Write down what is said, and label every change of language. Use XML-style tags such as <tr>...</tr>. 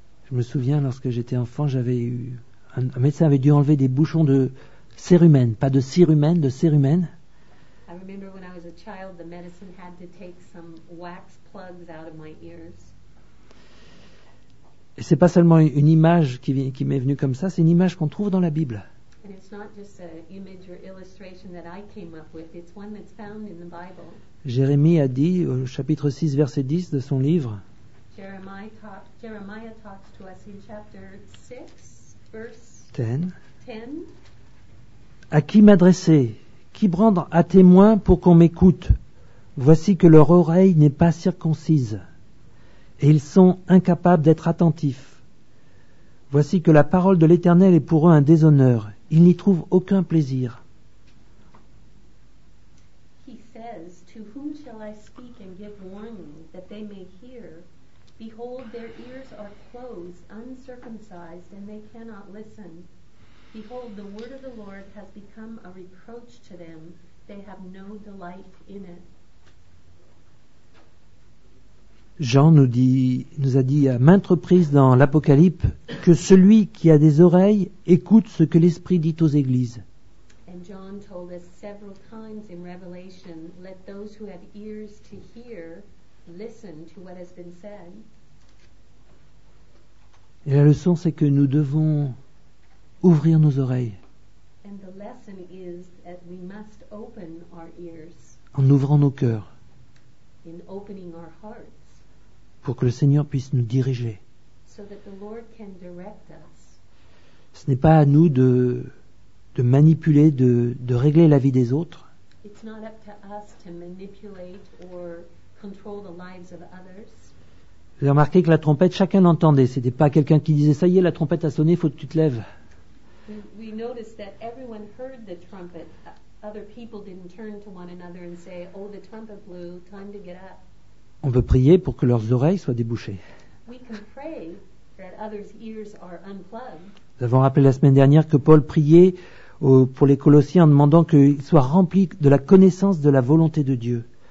<fr>Je me souviens, lorsque j'étais enfant, un médecin avait dû enlever des bouchons de cérumen, pas de cérumen, de cérumen.</fr> <en>I remember when I was a child, the medicine had to take some wax plugs out of my ears.</en> <fr>Et c'est pas seulement une image qui m'est venue comme ça, c'est une image qu'on trouve dans la Bible.</fr> <en>And it's not just an image or illustration that I came up with, it's one that's found in the Bible.</en> <fr>Jérémie a dit au chapitre 6, verset 10 de son livre,</fr> <en>Jeremiah talks to us in chapter 6, verse 10. 10.</en> <fr>À qui m'adresser? Qui prendre à témoin pour qu'on m'écoute? Voici que leur oreille n'est pas circoncise, et ils sont incapables d'être attentifs. Voici que la parole de l'Éternel est pour eux un déshonneur, ils n'y trouvent aucun plaisir.</fr> <en>He says, to whom shall I speak and give warning that they may hear? Behold, their ears are closed, uncircumcised, and they cannot listen. Behold, the word of the Lord has become a reproach to them. They have no delight in it.</en> <fr>Jean nous a dit à maintes reprises dans l'Apocalypse que celui qui a des oreilles écoute ce que l'Esprit dit aux églises.</fr> <en>And John told us several times in Revelation, let those who have ears to hear listen to what has been said.</en> <fr>Et la leçon, c'est que nous devons ouvrir nos oreilles.</fr> <en>And the lesson is that we must open our ears.</en> <fr>En ouvrant nos cœurs.</fr> <en>In opening our hearts.</en> <fr>Pour que le Seigneur puisse nous diriger.</fr> <en>so that the Lord can direct us.</en> <fr>Ce n'est pas à nous de manipuler, de régler la vie des autres.</fr> <en>It's not up to us to manipulate or control the lives of others.</en> <fr>Vous avez remarqué que la trompette, chacun l'entendait. Ce n'était pas quelqu'un qui disait, ça y est, la trompette a sonné, il faut que tu te lèves.</fr> <en>We noticed that everyone heard the trumpet. Other people didn't turn to one another and say, oh, the trumpet blew, time to get up.</en> <fr>On veut prier pour que leurs oreilles soient débouchées.</fr> <en>We can pray that others' ears are unplugged.</en> <fr>Nous avons rappelé la semaine dernière que Paul priait pour les Colossiens en demandant qu'ils soient remplis de la connaissance de la volonté de Dieu.</fr>